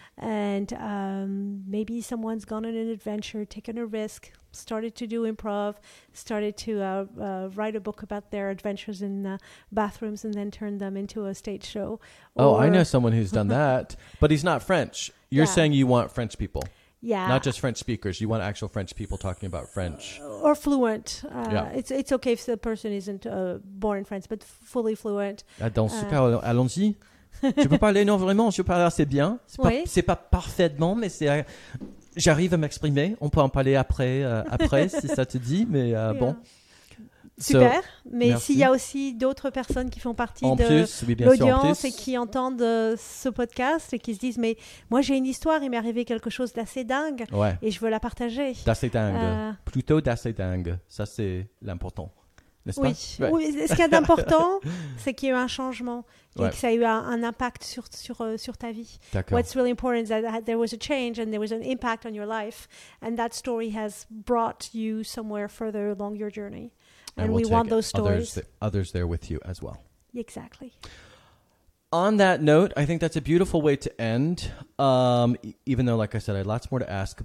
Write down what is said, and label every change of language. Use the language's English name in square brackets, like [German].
[English] And maybe someone's gone on an adventure, taken a risk, started to do improv, started to write a book about their adventures in bathrooms and then turned them into a stage show. Oh, I know someone who's done that, but he's not French. You're saying you want French people. Yeah. Not just French speakers. You want actual French people talking about French. Or fluent. It's okay if the person isn't born in France, but fully fluent. [French] Dans ce cas, allons-y. Je peux parler, non, vraiment, je parle assez bien. C'est pas parfaitement, mais c'est... J'arrive à m'exprimer. On peut en parler après, si ça te dit, mais bon. Super, mais s'il y a aussi d'autres personnes qui font partie en de plus, oui, l'audience et qui entendent ce podcast et qui se disent, mais moi j'ai une histoire, il m'est arrivé quelque chose d'assez dingue et je veux la partager. D'assez dingue, plutôt d'assez dingue, ça c'est l'important, n'est-ce oui. pas Oui, ce qu'il y a d'important, c'est qu'il y a eu un changement et que ça a eu un impact sur ta vie. D'accord. [English] What's really important is that there was a change and there was an impact on your life and that story has brought you somewhere further along your journey. And we'll we want those stories. Others there with you as well. Exactly. On that note, I think that's a beautiful way to end. Even though, like I said, I had lots more to ask.